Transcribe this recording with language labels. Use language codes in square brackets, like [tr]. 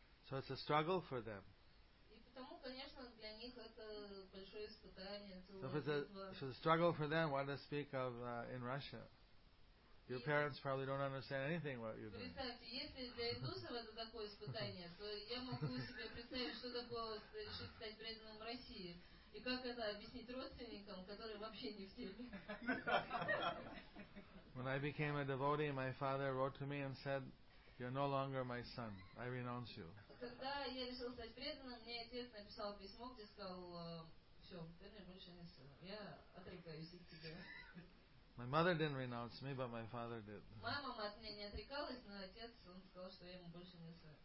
[en] So it's a struggle for them. So if it's a struggle for them, why to speak of in Russia? Your parents probably don't understand anything what you're doing. [ru] И как это объяснить родственникам, которые вообще не в теме? [en] When I became a devotee, my father wrote to me and said, "You're no longer my son. I renounce you." [ru] Когда я решил стать преданным, мне отец написал письмо, где сказал, "Все, ты мне больше не сын. Я отрекаюсь от тебя." [en] My mother didn't renounce me, but my father did. [ru] Мама от меня не отрекалась, но отец, он сказал, что я ему больше не сын.